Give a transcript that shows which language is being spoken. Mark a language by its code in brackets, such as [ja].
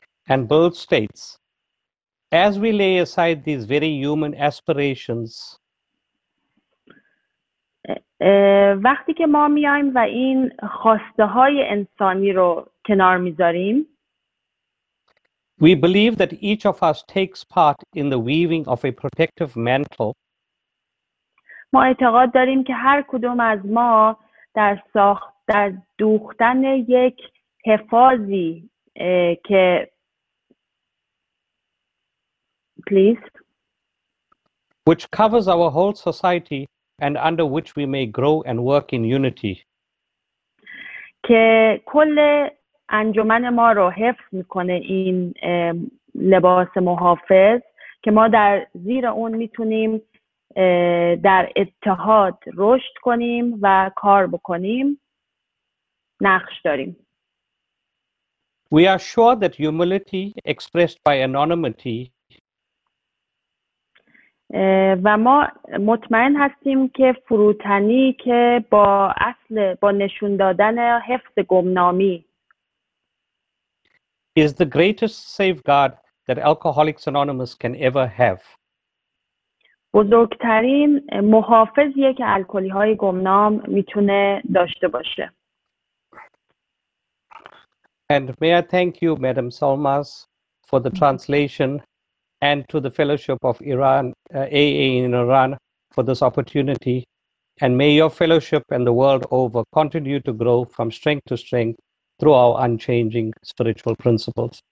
[en] And Bill states, as we lay aside these very human aspirations, [fa] وقتی که ما میایم و این خواسته های انسانی رو کنار میذاریم، [en] We believe that each of us takes part in the weaving of a protective mantle. [fa] ما اعتقاد داریم که هر کدوم از ما در ساخت در دوختن یک حفاظی که [en] please which covers our whole society and under which we may grow and work in unity. [fa] که کل انجمن ما رو حفظ میکنه این لباس محافظ که ما در زیر اون میتونیم در اتحاد رشد کنیم و کار بکنیم نقش داریم. [en] We are sure that humility expressed by anonymity [fa] و ما مطمئن هستیم که فروتنی که با اصل با نشون دادن حفظ گمنامی [en] is the greatest safeguard that Alcoholics Anonymous can ever have. [fa] بزرگترین محافظیه که الکلی های گمنام میتونه داشته باشه. [en] And may I thank you, Madam Solmaz, for the translation and to the Fellowship of Iran, AA in Iran, for this opportunity. And may your fellowship and the world over continue to grow from strength to strength through our unchanging spiritual principles.